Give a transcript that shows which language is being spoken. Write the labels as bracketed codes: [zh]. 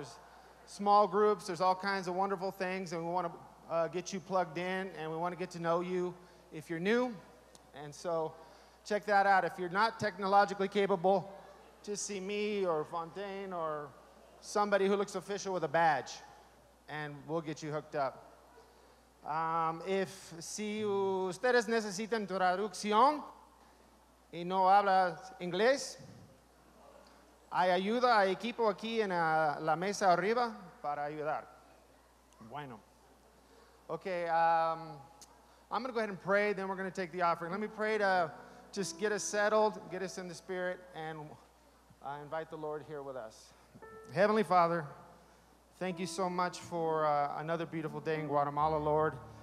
[en] There's small groups. There's all kinds of wonderful things, and we want to get you plugged in, and we want to get to know you if you're new. And so check that out. If you're not technologically capable, just see me or Fontaine or somebody who looks official with a badge, and we'll get you hooked up. If [es] si ustedes necesitan traducción y no hablas inglés, hay ayuda, hay equipo aquí en la mesa arriba para ayudar. Bueno. [en] Okay, I'm going to go ahead and pray, then we're going to take the offering. Let me pray to just get us settled, get us in the spirit, and invite the Lord here with us. Heavenly Father, thank you so much for another beautiful day in Guatemala, Lord.